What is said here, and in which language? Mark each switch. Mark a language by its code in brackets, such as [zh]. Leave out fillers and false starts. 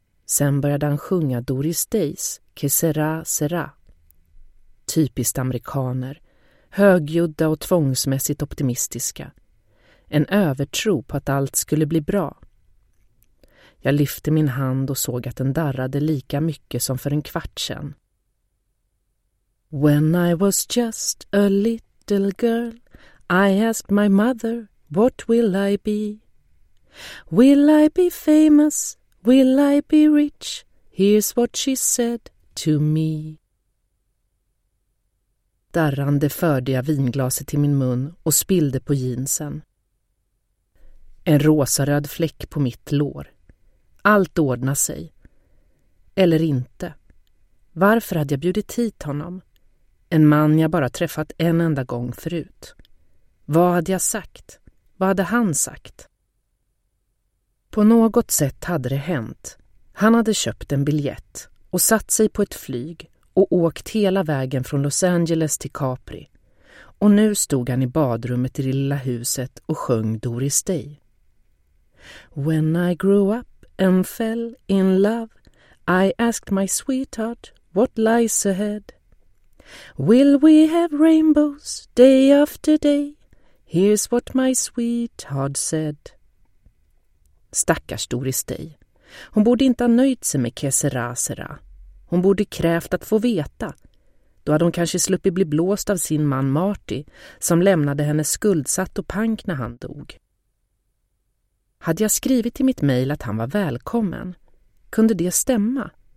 [sv] Sen började han sjunga Doris Days, Que sera, sera. Typiskt amerikaner. Högljudda och tvångsmässigt optimistiska. En övertro på att allt skulle bli bra. Jag lyfte min hand och såg att den darrade lika mycket som för en kvart sedan. [en] When I was just a little girl, I asked my mother, what will I be? Will I be famous? Will I be rich? Here's what she said to me. [sv] Darrande förde jag vinglaset till min mun och spillde på jeansen. En rosaröd fläck på mitt lår. Allt ordnar sig. Eller inte. Varför hade jag bjudit hit honom? En man jag bara träffat en enda gång förut. Vad hade jag sagt? Vad hade han sagt? På något sätt hade det hänt. Han hade köpt en biljett och satt sig på ett flyg och åkt hela vägen från Los Angeles till Capri. Och nu stod han i badrummet i det lilla huset och sjöng Doris Day. [en] When I grew up and fell in love, I asked my sweetheart what lies ahead. Will we have rainbows day after day? Here's what my sweetheart said. [sv] Stackars Doris Day. Hon borde inte ha nöjt sig med Que sera, sera. Hon borde krävt att få veta. Då hade hon kanske sluppit bli blåst av sin man Marty som lämnade henne skuldsatt och pank när han dog. Hade jag skrivit i mitt mejl att han var välkommen? Kunde det stämma?